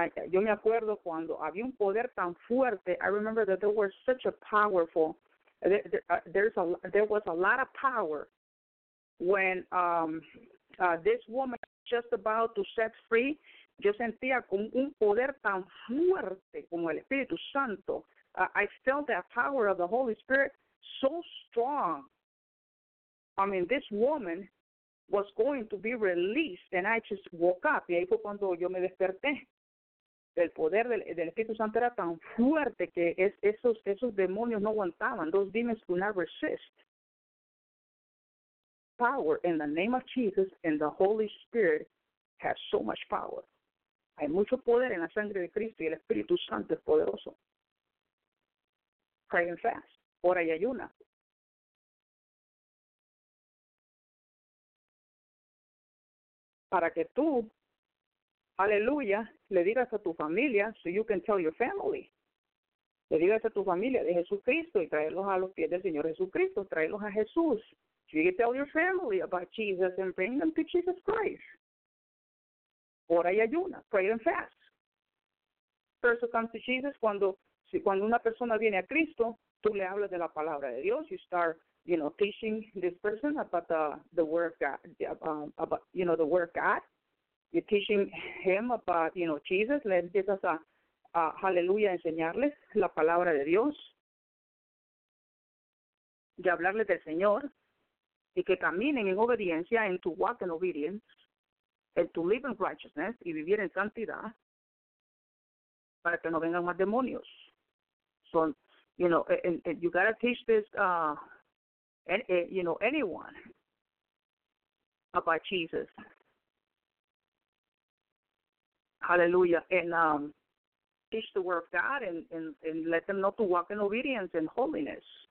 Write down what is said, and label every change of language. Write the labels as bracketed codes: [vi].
[es] Yo me acuerdo cuando había un poder tan fuerte. [en] I remember that there was such a powerful. There was a lot of power when this woman was just about to set free. [es] Yo sentía con un poder tan fuerte como el Espíritu Santo. [en] I felt that power of the Holy Spirit so strong. I mean, this woman was going to be released, and I just woke up. [es] Y ahí fue cuando yo me desperté. El poder del Espíritu Santo era tan fuerte que esos demonios no aguantaban. [en] Those demons could not resist. Power in the name of Jesus and the Holy Spirit has so much power. [es] Hay mucho poder en la sangre de Cristo y el Espíritu Santo es poderoso. Pray and fast. Ora y ayuna. Para que tú, aleluya, le digas a tu familia, so you can tell your family. Le digas a tu familia de Jesucristo y traerlos a los pies del Señor Jesucristo. Traerlos a Jesús. [en] So you can tell your family about Jesus and bring them to Jesus Christ. Ora y ayuna. Pray and fast. First it comes to Jesus cuando... [es] Cuando una persona viene a Cristo, tú le hablas de la palabra de Dios. [en] You start, you know, teaching this person about the word of God, about, you know, the word of God. You're teaching him about, you know, Jesus. [es] Le empiezas a hallelujah, enseñarle la palabra de Dios. Y hablarle del Señor. y que caminen en obediencia, and to walk in obedience, and to live in righteousness, y vivir en santidad, para que no vengan más demonios. [en] So, you know, and you gotta teach this, anyone about Jesus. Hallelujah. And teach the word of God and let them know to walk in obedience and holiness.